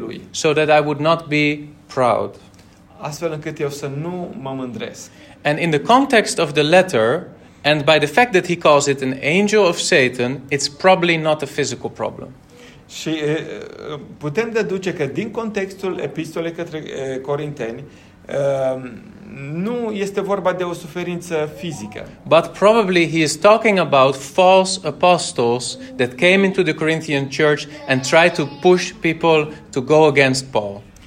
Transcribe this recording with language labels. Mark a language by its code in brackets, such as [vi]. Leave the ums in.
[en] so that I would not be proud. [ro] Astfel încât eu să nu mă mândresc. [en] And in the context of the letter, And by the fact that he calls it an angel of Satan, it's probably not a physical problem. [ro] Și putem deduce că din contextul epistolei către corinteni, Uh, nu este vorba de o suferință fizică. [en] But probably he is talking about false apostles that came into the Corinthian church and tried to push people to go against Paul.